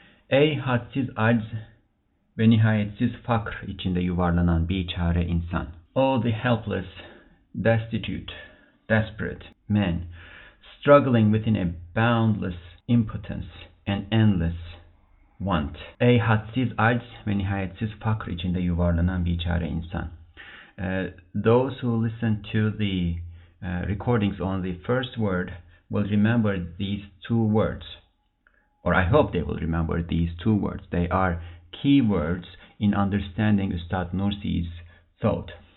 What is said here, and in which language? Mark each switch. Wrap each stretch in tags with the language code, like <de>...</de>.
<tr>Ey hadsiz acz ve nihayetsiz fakr içinde yuvarlanan biçare insan.</tr> <en>O the helpless, destitute, desperate man, struggling within a boundless impotence and endless want.</en> <tr>Ey hadsiz acz ve nihayetsiz fakr içinde yuvarlanan biçare insan.</tr> <en>Those who listen to the recordings on the first word will remember these two words, or I hope they will remember these two words. They are key words in understanding Ustad Nursi's thought.</en>